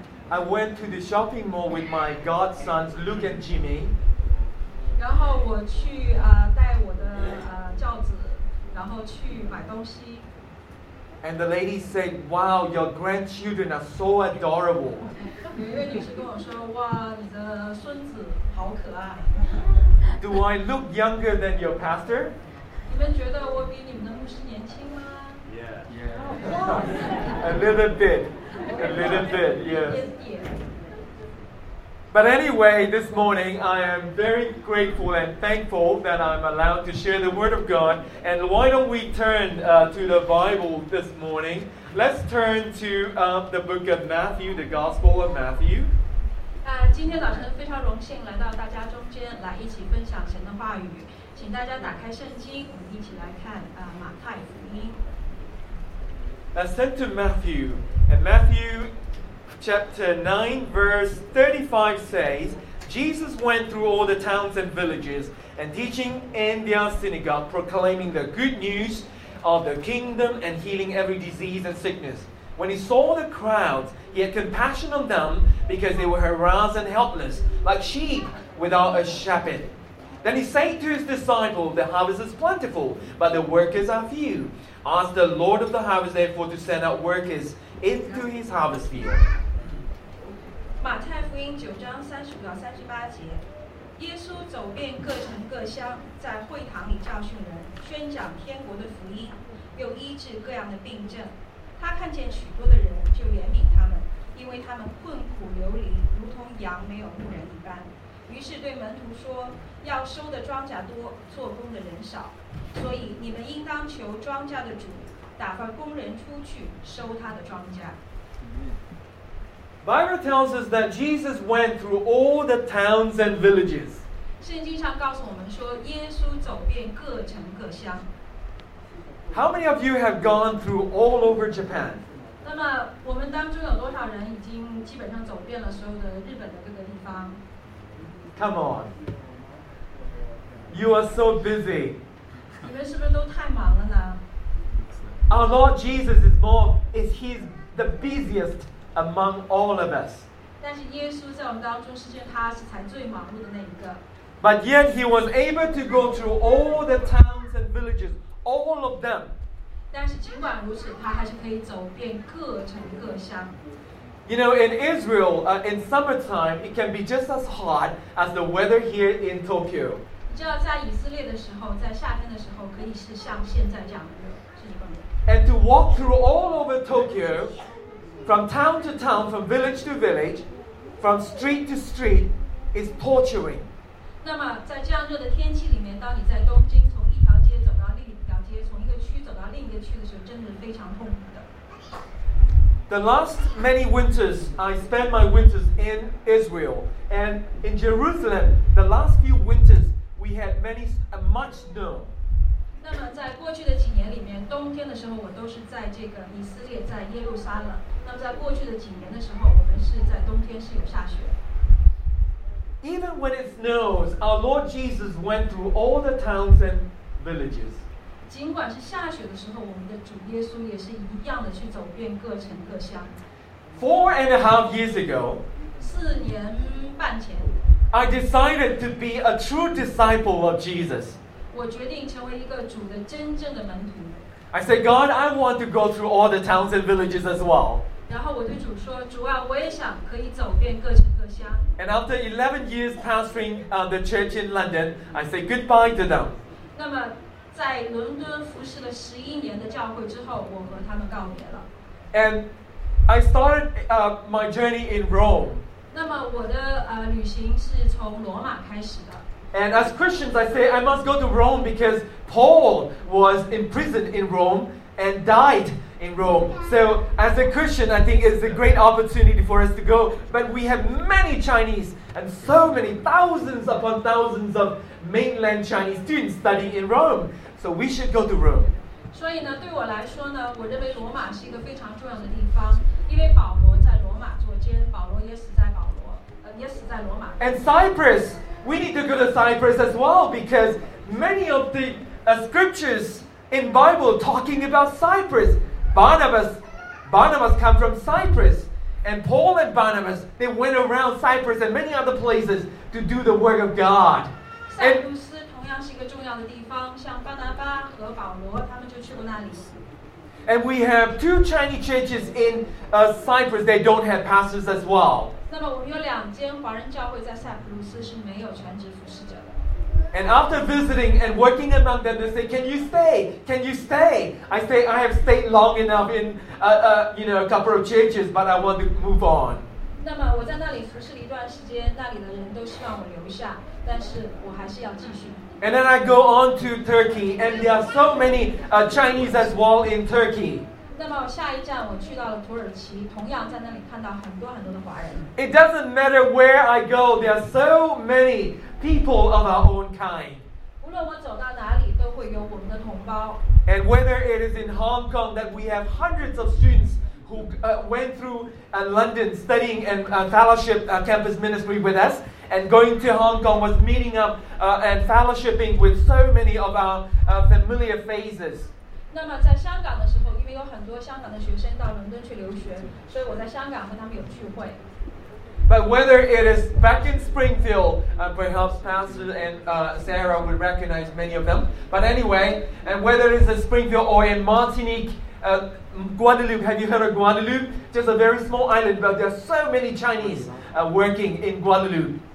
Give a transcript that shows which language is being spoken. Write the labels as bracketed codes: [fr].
[en] I went to the shopping mall with my godsons, Luke and Jimmy. [zh] 然后我去带我的轿子，然后去买东西。 [en] And the lady said, "Wow, your grandchildren are so adorable." [zh] 有一位女士跟我说，哇，你的孙子好可爱。 [en] Do I look younger than your pastor? [zh] 你们觉得我比你们的牧师年轻吗？ [en] Yeah. A little bit, yes. But anyway, this morning, I am very grateful and thankful that I'm allowed to share the Word of God. And why don't we turn to the Bible this morning? Let's turn to the book of Matthew, the Gospel of Matthew. [zh] 今天早晨非常荣幸来到大家中间，来一起分享神的话语。请大家打开圣经，我们一起来看马太福音。 [en] Let's turn to Matthew. And Matthew chapter 9, verse 35 says, Jesus went through all the towns and villages, and teaching in their synagogue, proclaiming the good news of the kingdom and healing every disease and sickness. When he saw the crowds, he had compassion on them because they were harassed and helpless, like sheep without a shepherd. Then he said to his disciples, The harvest is plentiful, but the workers are few. Ask the Lord of the harvest, therefore, to send out workers into his harvest field. [zh] 马太福音九章三十五到三十八节，耶稣走遍各城各乡，在会堂里教训人，宣讲天国的福音，又医治各样的病症。他看见许多的人，就怜悯他们，因为他们困苦流离，如同羊没有牧人一般。于是对门徒说，要收的庄稼多，做工的人少，所以你们应当求庄稼的主打发工人出去收他的庄稼。 [en] Bible tells us that Jesus went through all the towns and villages. [zh] 圣经上告诉我们说，耶稣走遍各城各乡。 [en] How many of you have gone through all over Japan? [zh] 那么我们当中有多少人已经基本上走遍了所有的日本的各个地方？ [en] Come on. You are so busy. [zh] 你们是不是都太忙了呢？ [en] Our Lord Jesus is more, is he's the busiest among all of us. [zh] 但是耶稣在我们当中是见他是才最忙碌的那一个。 [en] But yet he was able to go through all the towns and villages, all of them. [zh] 但是尽管如此，他还是可以走遍各城各乡。 [en] You know, in Israel, in summertime, it can be just as hot as the weather here in Tokyo. [zh] 你知道在以色列的时候，在夏天的时候，可以是像现在这样的热，是这样的。 [en] And to walk through all over Tokyo. From town to town, from village to village, from street to street, is torturing. [zh] 那么在这样热的天气里面，当你在东京从一条街走到另一条街，从一个区走到另一个区的时候，真的是非常痛苦的。 [en] The last many winters, I spent my winters in Israel and in Jerusalem. The last few winters, we had much snow. [zh] 那么在过去的几年里面，冬天的时候我都是在这个以色列，在耶路撒冷。那么在过去的几年的时候，我们是在冬天是有下雪。 [en] Even when it snows, our Lord Jesus went through all the towns and villages. [zh] 尽管是下雪的时候，我们的主耶稣也是一样的去走遍各城各乡。 [en] Four and a half years ago, [zh] 四年半前 [en] I decided to be a true disciple of Jesus. [zh] 我决定成为一个主的真正的门徒。 [en] I said, God, I want to go through all the towns and villages as well. [zh] 然后我对主说，主啊，我也想可以走遍各城各乡。 [en] And after 11 years pastoring the church in London, I said goodbye to them. [zh] 那么在伦敦服侍了11年的教会之后，我和他们告别了。 [en] And I started my journey in Rome. [zh] 那么我的旅行是从罗马开始的。 [en] And as Christians, I say, I must go to Rome because Paul was imprisoned in Rome and died in Rome. So as a Christian, I think it's a great opportunity for us to go. But we have many Chinese and so many thousands upon thousands of mainland Chinese students studying in Rome. So we should go to Rome. [zh] 所以呢，对我来说呢，我认为罗马是一个非常重要的地方，因为保罗在罗马坐监，保罗也死在罗马。 [en] And Cyprus. We need to go to Cyprus as well because many of the scriptures in Bible talking about Cyprus. Barnabas come from Cyprus. And Paul and Barnabas, they went around Cyprus and many other places to do the work of God. [zh] 塞浦斯同样是一个重要的地方，像巴拿巴和保罗他们就去过那里。 [en] And we have two Chinese churches in Cyprus. They don't have pastors as well. [zh] 那么我们有两间华人教会在塞浦路斯是没有全职服侍者的。 [en] And after visiting and working among them, they say, "Can you stay? Can you stay?" I say, "I have stayed long enough in a couple of churches, but I want to move on." [zh] 那么我在那里服侍了一段时间，那里的人都希望我留下，但是我还是要继续。 [en] And then I go on to Turkey, and there are so many Chinese as well in Turkey. [zh] 那么下一站我去到了土耳其，同样在那里看到很多很多的华人。 [en] It doesn't matter where I go, there are so many people of our own kind. [zh] 无论我走到哪里，都会有我们的同胞。 [en] And whether it is in Hong Kong that we have hundreds of students who went through London studying and fellowship campus ministry with us, and going to Hong Kong was meeting up and fellowshipping with so many of our familiar faces. [zh] 那么在香港的时候，因为有很多香港的学生到伦敦去留学，所以我在香港和他们有聚会。 [en] But whether it is back in Springfield, perhaps Pastor and Sarah would recognize many of them. But anyway, and whether it is in Springfield or in Martinique, Guadeloupe, have you heard of Guadeloupe? Just a very small island, but there are so many Chinese working in Guadeloupe.